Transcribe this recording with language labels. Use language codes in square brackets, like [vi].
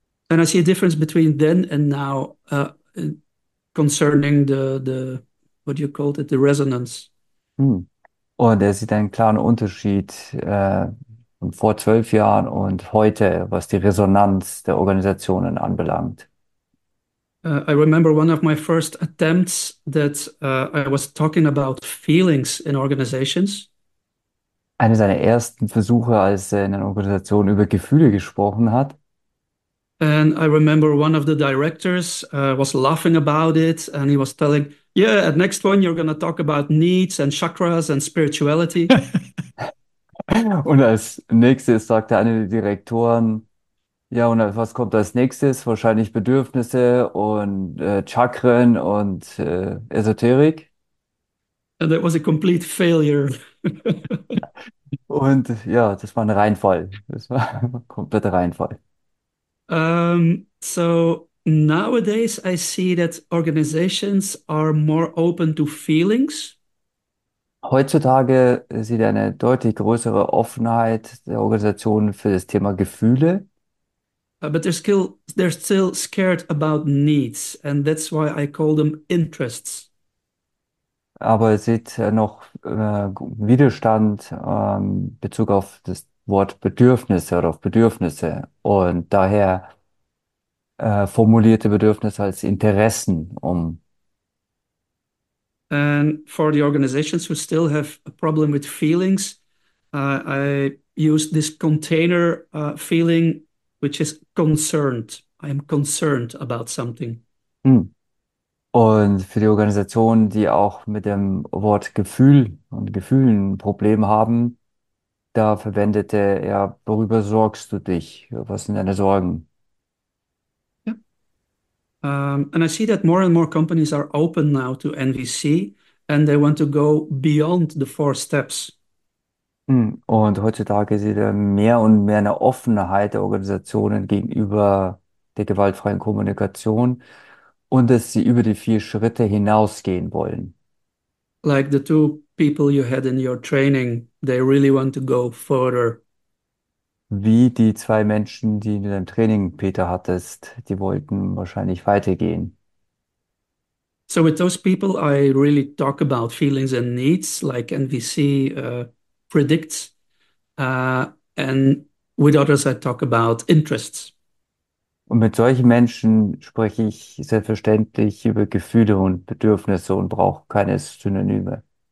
[en] And I see a difference between then and now concerning the what you called it, the resonance. [de] Und er sieht einen klaren Unterschied von vor 12 Jahren und heute, was die Resonanz der Organisationen anbelangt. [en] I remember one of my first attempts that I was talking about feelings in organizations. [de] Einer seiner ersten Versuche, als er in einer Organisation über Gefühle gesprochen hat. [en] And I remember one of the directors was laughing about it, and he was telling, "Yeah, at next one you're going to talk about needs and chakras and spirituality." [de] Und als nächstes sagte einer der Direktoren, ja, und was kommt als nächstes? Wahrscheinlich Bedürfnisse und Chakren und Esoterik. [en] And that was a complete failure. [de] Und ja, das war ein Reinfall. Das war ein kompletter Reinfall. [en] So nowadays I see that organizations are more open to feelings. [de] Heutzutage sieht eine deutlich größere Offenheit der Organisation für das Thema Gefühle. [en] But they're still scared about needs, and that's why I call them interests. [de] Aber es sieht noch Widerstand in Bezug auf das Wort Bedürfnisse oder auf Bedürfnisse und daher formulierte Bedürfnisse als Interessen um. [en] And for the organizations who still have a problem with feelings, I use this container feeling, which is concerned. I am concerned about something. [de] Und für die Organisationen, die auch mit dem Wort Gefühl und Gefühlen ein Problem haben, da verwendete er, worüber sorgst du dich? Was sind deine Sorgen? [en] And I see that more and more companies are open now to NVC and they want to go beyond the four steps. [de] Und heutzutage sieht er mehr und mehr eine Offenheit der Organisationen gegenüber der gewaltfreien Kommunikation. Und dass sie über die vier Schritte hinausgehen wollen. [en] Like the two people you had in your training, they really want to go further. [de] Wie die zwei Menschen, die du in deinem Training, Peter, hattest, die wollten wahrscheinlich weitergehen. [en] So with those people, I really talk about feelings and needs, like NVC predicts. And with others, I talk about interests. [de] Und mit solchen Menschen spreche ich selbstverständlich über Gefühle und Bedürfnisse und brauche keine Synonyme.